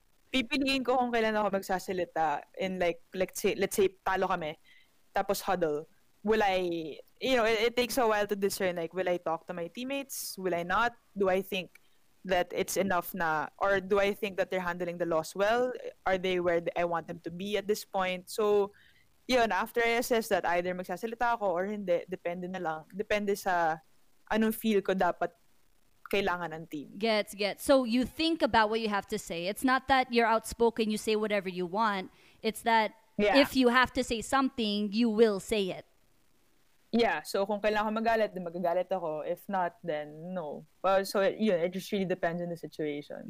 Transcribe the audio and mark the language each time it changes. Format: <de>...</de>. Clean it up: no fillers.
<tl>Pipiliin ko kung kailan ako magsasalita</tl> <en>in like, let's say,</en> <tl>talo kami, tapos huddle.</tl> <en>Will I, you know, it takes a while to discern, like, will I talk to my teammates? Will I not? Do I think that it's enough na? Or do I think that they're handling the loss well? Are they where I want them to be at this point? So, yun, after I assess that, either</en> <tl>magsasalita ako</tl> <en>or</en> <tl>hindi, depende na lang. Depende sa anong feel ko dapat kailangan ng team. Gets.</tl> <en>So, you think about what you have to say. It's not that you're outspoken, you say whatever you want. It's that if you have to say something, you will say it. Yeah, so</en> <tl>kung kailangan ko magalit,</tl> <en>then</en> <tl>magagalit ako.</tl> <en>If not, then no. But so you know, it just really depends on the situation.</en>